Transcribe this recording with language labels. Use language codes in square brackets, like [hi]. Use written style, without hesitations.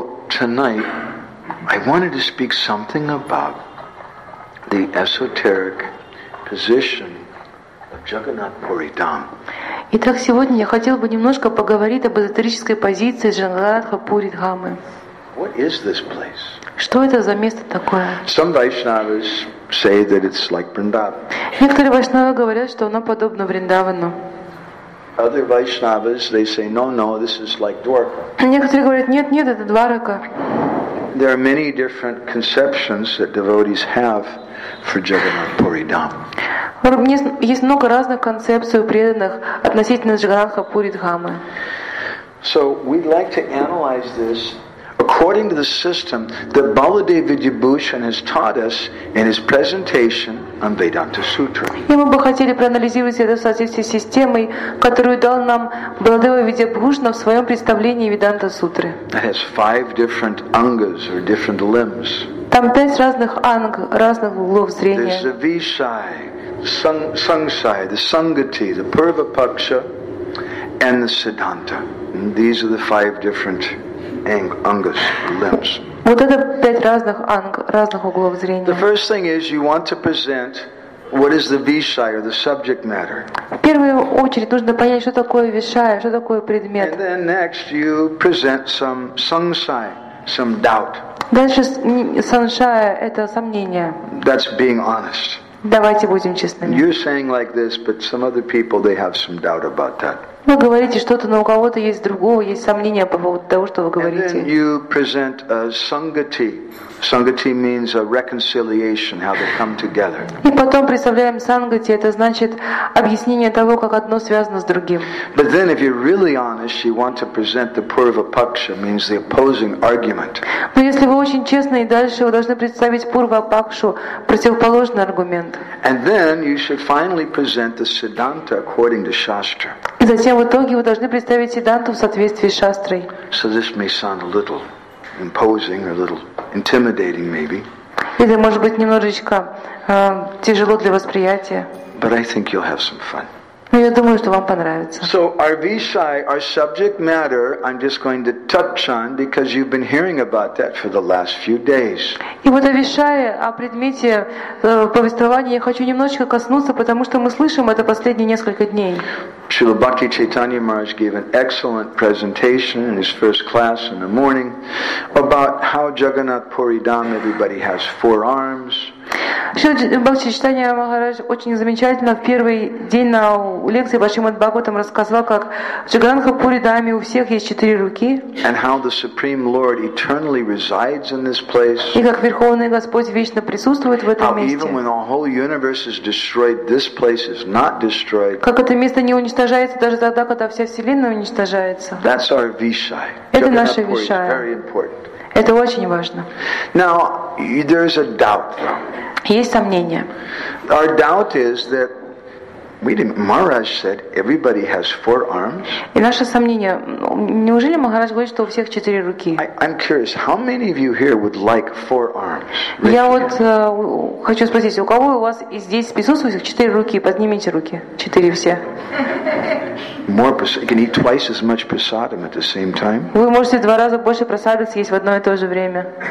[en] Tonight, I wanted to speak something about the esoteric position of Jagannath Puri Dham. [ru] Итак, сегодня я хотел бы немножко поговорить об эзотерической позиции Джаганатха Пури Дхамы. [en] What is this place? [ru] Что это за место такое? [en] Some Vaishnavas say that it's like Vrindavan. [ru] Некоторые Вайшнавы говорят, что оно подобно Вриндавану. [en] Other Vaishnavas, they say, no, this is like Dwarka. [ru] Некоторые говорят, нет, это Дварака. [en] There are many different conceptions that devotees have for Jagannath Puri Dham. [ru] Есть много разных концепций у преданных относительно Джаганнатха Пури Дхамы. [en] So we'd like to analyze this according to the system that Baladev Vidyabhushan has taught us in his presentation on Vedanta Sutra. [ru] И мы бы хотели проанализировать это в соответствии с системой, которую дал нам Баладева Видьябхушана в своем представлении Веданта Сутры. [en] It has five different angas or different limbs. [ru] Там пять разных анг, разных углов зрения. [en] There's the Vishai, Sangsai, the Sangati, the Purvapaksha, and the Siddhanta. And these are the five different angas, limbs. [ru] Вот это пять разных анг, разных углов зрения. [en] The first thing is you want to present what is the vishay or the subject matter. [ru] В первую очередь нужно понять, что такое вишая, что такое предмет. [en] And then next you present some sangsai, some doubt. [ru] Дальше саншая – это сомнение. [en] That's being honest. [ru] Давайте будем честными. [en] You're saying like this, but some other people, they have some doubt about that. [ru] Вы говорите что-то, но у кого-то есть другого, есть сомнения по поводу того, что вы говорите. [en] And then you present a sangati. Sangati means a reconciliation, how they come together. [ru] И потом представляем сангати, это значит объяснение того, как одно связано с другим. [en] But then if you're really honest, you want to present the purvapaksha, means the opposing argument. [ru] Но если вы очень честны, и дальше вы должны представить пурвапакшу, противоположный аргумент. [en] And then you should finally present the siddhanta according to shastra. [ru] И затем в итоге вы должны представить сиддханту в соответствии с шастрой. [en] So this may sound a little imposing, a little intimidating, maybe. [ru] Это может быть немножечко тяжело для восприятия. [en] But I think you'll have some fun. [ru] Но я думаю, что вам понравится. [en] So our vishay, our subject matter, I'm just going to touch on because you've been hearing about that for the last few days. [ru] И вот о вишае, о предмете повествования я хочу немножечко коснуться, потому что мы слышим это последние несколько дней. [en] Srila Bhakti Chaitanya Maharaj gave an excellent presentation in his first class in the morning about how Jagannath Puri Dham, everybody has four arms. [ru] Srila Bhakti Chaitanya Maharaj очень замечательно в первый день на лекции Бхашимад Бхагаватам рассказал, как в Джаганнатха Пури Дхаме у всех есть четыре руки. [en] And how the Supreme Lord eternally resides in this place. [ru] И как Верховный Господь вечно присутствует в этом месте. [en] How even when the whole universe is destroyed, this place is not destroyed. [ru] Как это место не уничтожается даже тогда, когда вся Вселенная уничтожается. [en] That's our vishay. [ru] Это наша вишая. [en] Very important. [ru] Это очень важно. [en] Now, there is a doubt, though. [ru] Есть сомнения. [en] Our doubt is that Maharaj said everybody has four arms. [ru] И наше сомнение, неужели Махарадж говорит, что у всех четыре руки? [en] I'm curious, how many of you here would like four arms? [ru] Я вот хочу спросить, у кого у вас здесь присутствует четыре руки? Поднимите руки, четыре все. [en] More can eat twice as much prasadam at the same time. [ru] Вы можете два раза больше прасады съесть в одно и то же время.